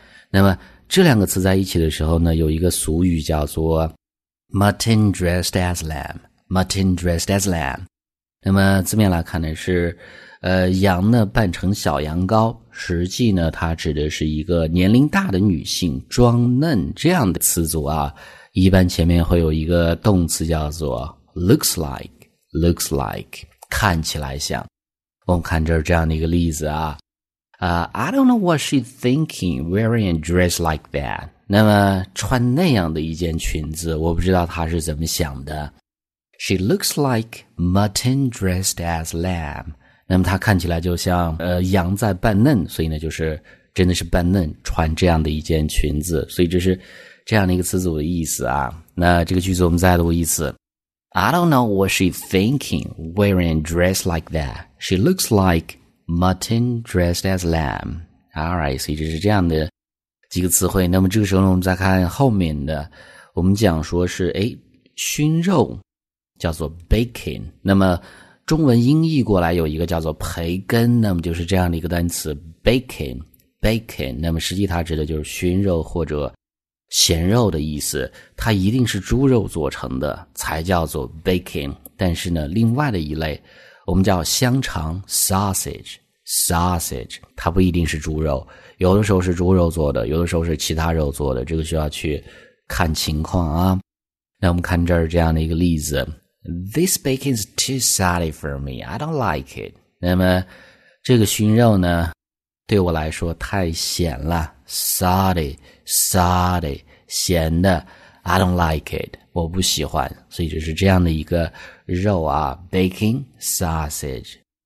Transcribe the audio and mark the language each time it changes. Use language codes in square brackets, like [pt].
[zh] 那么这两个词在一起的时候呢有一个俗语叫做 [en] mutton dressed as lamb, [zh] 那么字面来看呢是羊呢扮成小羊羔，实际呢它指的是一个年龄大的女性装嫩这样的词组啊，一般前面会有一个动词叫做 [en] looks like, [zh] 看起来像。我们看这样的一个例子啊。 [en] I don't know what she's thinking wearing a dress like that. [zh] 那么穿那样的一件裙子我不知道她是怎么想的。 [en] She looks like mutton dressed as lamb. [zh] 那么她看起来就像羊在扮嫩，所以呢就是真的是扮嫩穿这样的一件裙子。所以这是这样的一个词组的意思啊。那这个句子我们再读一次。 [en] I don't know what she's thinking wearing a dress like that. She looks like mutton dressed as lamb. Alright, [zh] 所以这是这样的几个词汇。那么这个时候呢我们再看后面的。我们讲说是熏肉。叫做 baking, 那么中文音译过来有一个叫做培根，那么就是这样的一个单词 baking, 那么实际它指的就是熏肉或者咸肉的意思，它一定是猪肉做成的才叫做 baking, 但是呢另外的一类我们叫香肠 sausage, 它不一定是猪肉，有的时候是猪肉做的，有的时候是其他肉做的，这个需要去看情况啊。那我们看这样的一个例子。 [en] This bacon is too salty for me. I don't like it. [zh] 那么这个熏肉呢对我来说太咸了。 [en] Salty, [zh] 咸的。 [en] I don't like it. [zh] 我不喜欢。所以就是这样的一个肉啊。 [en] Bacon, sausage.